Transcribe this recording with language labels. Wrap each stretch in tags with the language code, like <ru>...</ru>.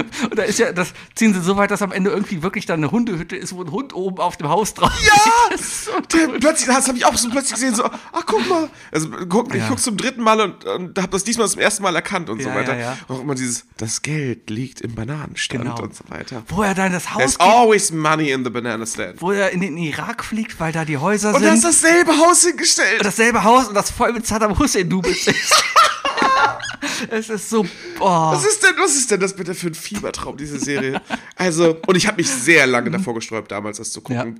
<de>Und da ist ja, das ziehen sie so weit, dass am Ende irgendwie wirklich dann eine Hundehütte ist, wo ein Hund oben auf dem Haus drauf ist. Ja! Plötzlich, das habe ich auch so plötzlich gesehen, so, ach, guck mal. Also, guck zum dritten Mal und habe das diesmal zum ersten Mal erkannt und so weiter. Ja, ja. Und auch immer dieses, das Geld liegt im Bananenstand und so weiter. Wo er dann das Haus.</de> <en>There's always money in the banana stand.</en> <de>Wo er in den Irak fliegt, weil da die Häuser und sind. Und da ist dasselbe Haus hingestellt. Und dasselbe Haus und das voll mit Saddam Hussein-Dubels ist. Es ist so, boah. Was ist denn das bitte für ein Fiebertraum, diese Serie? Also, und ich habe mich sehr lange davor gesträubt, damals das zu gucken. Ja.</de>